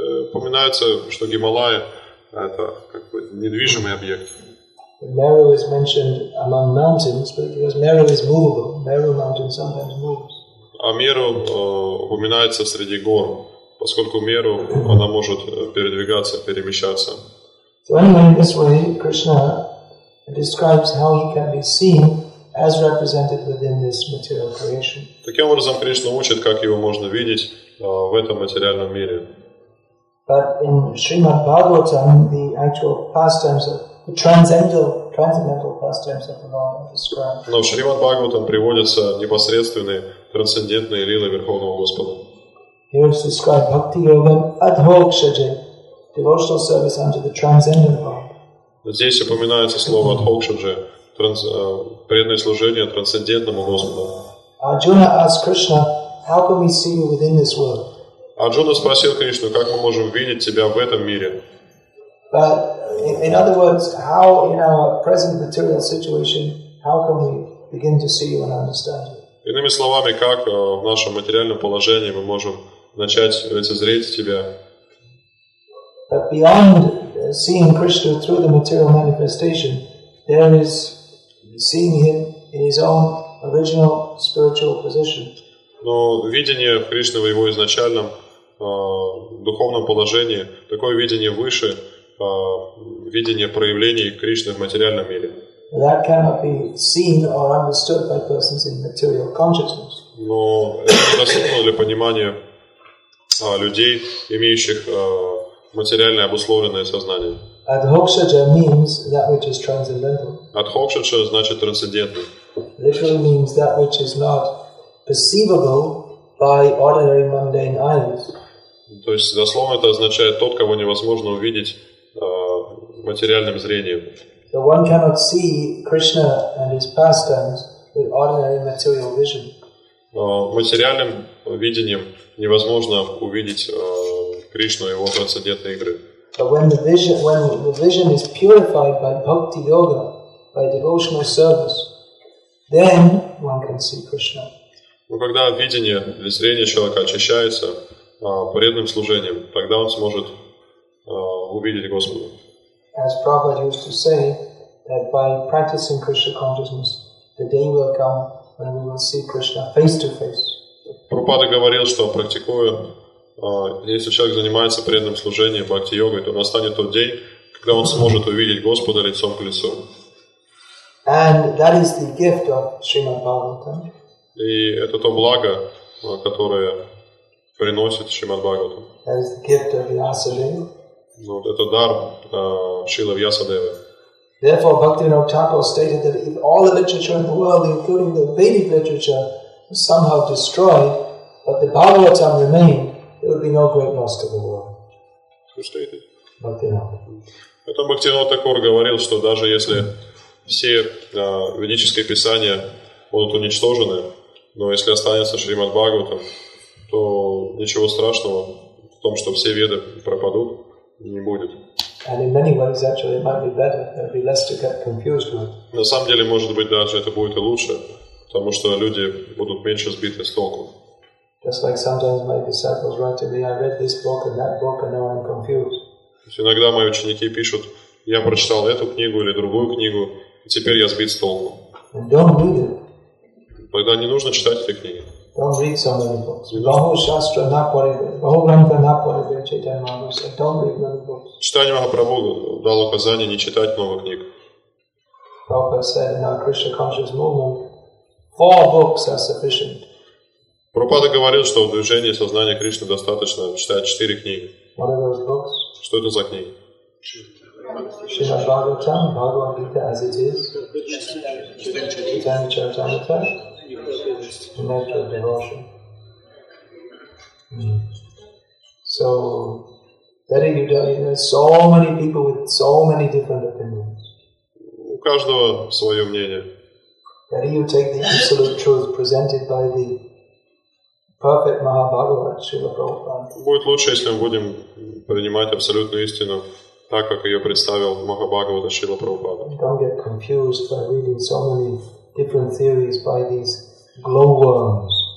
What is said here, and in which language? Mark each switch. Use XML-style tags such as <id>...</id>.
<ru>Упоминается, что Гималай это как бы недвижимый объект.</ru> <en>Meru is mentioned among mountains, but because Meru is movable, Meru mountain sometimes moves.</en> <ru>А Меру упоминается среди гор, поскольку Меру она может передвигаться, перемещаться.</ru> <en>So anyway, in this way, Krishna describes how he can be seen as represented within this material creation.</en> <ru>Таким образом, Кришна учит, как его можно видеть в этом материальном мире.</ru> <en>But in Srimad Bhagavatam, the actual pastimes of the transcendental pastimes of the Lord are described.</en> <ru>Но в Шримад-Бхагаватам приводятся непосредственные трансцендентные лилы Верховного Господа.</ru> <en>Here is described Bhakti-yoga Adhokshaje, devotional service unto the transcendent God.</en> <ru>Здесь упоминается слово Adhokshaje, преданное служение трансцендентному Господу.</ru> <en>Arjuna asks Krishna, how can we see you within this world?</en> <ru>Арджуна спросил Кришну, как мы можем видеть тебя в этом мире?</ru> <en>But in other words, how in our present material situation, how can we begin to see you and understand you?</en> <ru>Иными словами, как в нашем материальном положении мы можем начать лицезреть тебя?</ru> <en>But beyond seeing Krishna through the material manifestation, there is seeing him in his own original spiritual position.</en> <ru>Но видение Кришны в его изначальном духовном положении, такое видение выше, видение проявлений Кришны в материальном мире.</ru> <en>That cannot be seen or understood by persons in material consciousness.</en> <ru>Но это недоступно для понимания людей, имеющих материальное обусловленное сознание.</ru> <en>Adhokshaja means that which is transcendental.</en> <ru>Adhokshaja значит трансцендентный.</ru> <en>Literally means that which is not perceivable by ordinary mundane eyes.</en> <ru>То есть, дословно, это означает тот, кого невозможно увидеть материальным зрением.</ru> <en>So one cannot see Krishna and his pastimes with ordinary material vision.</en> <ru>Материальным видением невозможно увидеть Кришну и его трансцендентные игры.</ru> <en>But when the vision is purified by bhakti yoga, by devotional service, then one can see Krishna.</en> <ru>Но когда видение или зрение человека очищается преданным служением, тогда он сможет увидеть Господа.</ru> <en>As Prabhupada used to say, that by practicing Krishna consciousness, the day will come when we will see Krishna face to face.</en> <ru>Прабхупада говорил, что практикуя, если человек занимается преданным служением, бхакти-йогой, то настанет тот день, когда он сможет увидеть Господа лицом к лицу.</ru> <en>And that is the gift of Srimad Bhagavatam.</en> <ru>И это то благо, которое приносит Шримад Бхагаватам.</ru> <en>That is the gift of Vyasadeva.</en> <ru>Вот это дар Шрилы Вьясадевы.</ru> <en>Therefore, Bhaktivinoda Thakur stated that if all the literature in the world, including the Vedic literature, was somehow destroyed, but the Bhagavatam remained, there would be no great loss to the world. Who stated? Bhaktivinoda.</en> <ru>Потом Бхактивинода Такур говорил, что даже если все ведические писания будут уничтожены, но если останется Шримад Бхагаватам, то ничего страшного в том, что все веды пропадут, не будет.</ru> <en>And in many ways, actually, it might be better. There'd be less to get confused with.</en> <ru>На самом деле, может быть, даже это будет и лучше, потому что люди будут меньше сбиты с толку.</ru> <en>Just like sometimes my disciples write to me, I read this book and that book, and now I'm confused.</en> <ru>То есть иногда мои ученики пишут, я прочитал эту книгу или другую книгу, и теперь я сбит с толку.</ru> <en>And don't read it.</en> <ru>Тогда не нужно читать эти книги.</ru> <en>Don't read so many books. Bahu Shastra Napari, Bahu Grantha Napari, Chaitanya Mahaprabhu said, don't read many books.</en> <ru>Читание Махапрабху дало указание не читать много книг.</ru> <en>Prabhupada said in our Krishna Conscious Movement, four books are sufficient.</en> <ru>Prabhupada говорил, что в движении сознания Кришны достаточно читать четыре книги.</ru> <en>What are those books?</en> <ru>Что это за книги?</ru> <en>Srimad Bhagavatam, Bhagavad Gita as it is, Chaitanya Charitamrita, the nature of devotion. So, Betty, you tell me, there's so many people with so many different opinions.</en> <ru>У каждого свое мнение.</ru> <en>Betty, you take the absolute truth presented by the perfect Mahabhagavat, Srila Prabhupada.</en> <ru>Будет лучше, если мы будем принимать абсолютную истину так, как ее представил Махабхагавата Шрила Прабхупада.</ru> <en>Don't get confused by reading so many different theories by these glowworms.</en>